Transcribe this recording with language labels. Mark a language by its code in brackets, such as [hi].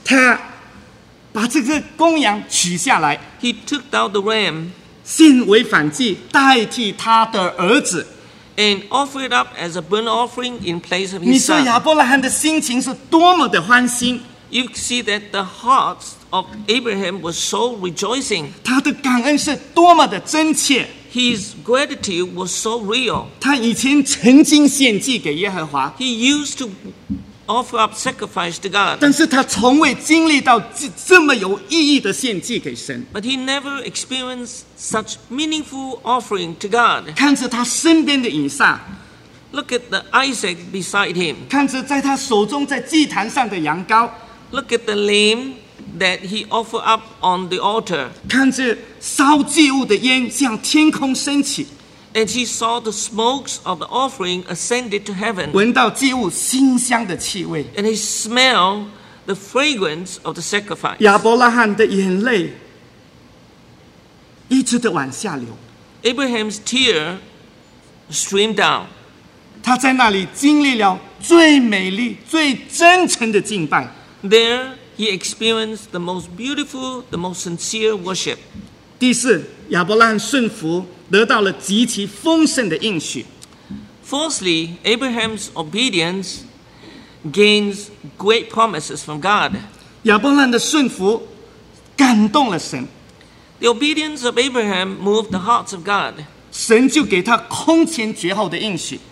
[zh] 他把这个公羊取下来。 [en] He took down the ram. [zh] 献为燔祭，代替他的儿子。 [en] And offered up as a burnt offering in place of his son. [zh] 你说亚伯拉罕的心情是多么的欢欣。 [en] You see that the heart of Abraham was so rejoicing. [zh] 他的感恩是多么的真切。 [en] His gratitude was so real. [zh] 他以前曾经献祭给耶和华。 [en] He used to offer up sacrifice to God. [zh] 但是他从未经历到这么有意义的献祭给神。 [en] But he never experienced such meaningful offering to God. [zh] 看着他身边的以撒。 [en] Look at the Isaac beside him. [zh] 看着在他手中在祭坛上的羊羔。 [en] Look at the lamb that he offered up on the altar. [zh] 看着烧祭物的烟向天空升起。 [en] And he saw the smokes of the offering ascended to heaven. [zh] 闻到祭物馨香的气味。 [en] And he smelled the fragrance of the sacrifice. [zh] 亚伯拉罕的眼泪一直的往下流。 [en] Abraham's tear streamed down. [zh] 他在那里经历了最美丽、最真诚的敬拜。 [en] There he experienced the most beautiful, the most sincere worship. [zh] 第四，亚伯拉罕顺服，得到了极其丰盛的应许。 [en] Fourthly, Abraham's obedience gains great promises from God. [zh] 亚伯拉罕的顺服感动了神。 [en] The obedience of Abraham moved the hearts of God. [zh] 神就给他空前绝后的应许。